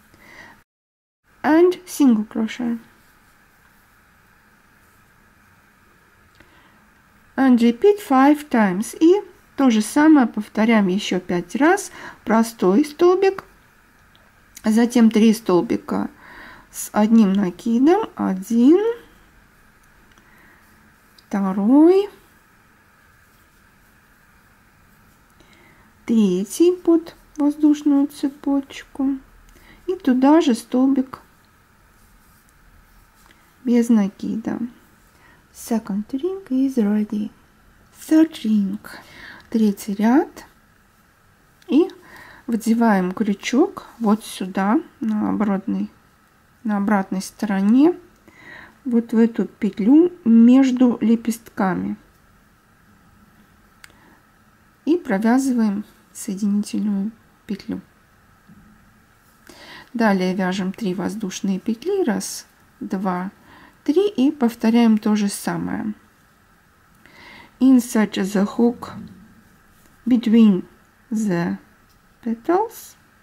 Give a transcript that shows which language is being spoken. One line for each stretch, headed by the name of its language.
English: 1, 2, 3, and single crochet, and repeat 5 times.
Russian: И то же самое повторяем еще 5 раз. Простой столбик, затем 3 столбика с одним накидом, 1, 2, 3 под воздушную цепочку и туда же столбик без накида.
English: Second ring is ready. Third ring.
Russian: Третий ряд. И вдеваем крючок вот сюда, на оборотный. На обратной стороне, вот в эту петлю между лепестками, и провязываем соединительную петлю. Далее вяжем 3 воздушные петли, 1, 2, 3, и повторяем то же самое.
English: Insert the hook between the petals.